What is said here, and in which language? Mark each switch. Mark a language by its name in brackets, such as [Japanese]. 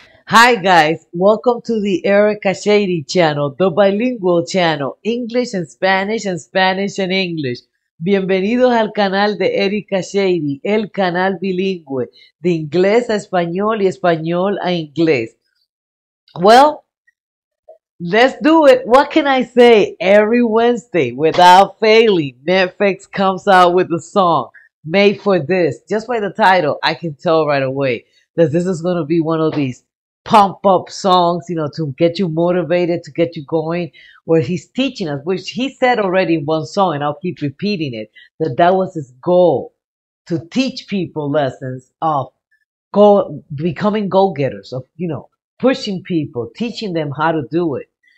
[English] Hi guys, welcome to the Erica Shady channel, the bilingual channel, English and Spanish and English. [Spanish] Bienvenidos al canal de Erica Shady, el canal bilingüe, de inglés a español y español a inglés. [English] Well, let's do it. What can I say? Every Wednesday, without failing, Netflix comes out with a song made for this. Just by the title, I can tell right away that this is going to be one of these pump up songs, you know, to get you motivated, to get you going, where he's teaching us, which he said already in one song, and I'll keep repeating it, that that was his goal, to teach people lessons of becoming go-getters, of, you know, pushing people, teaching them how to do it.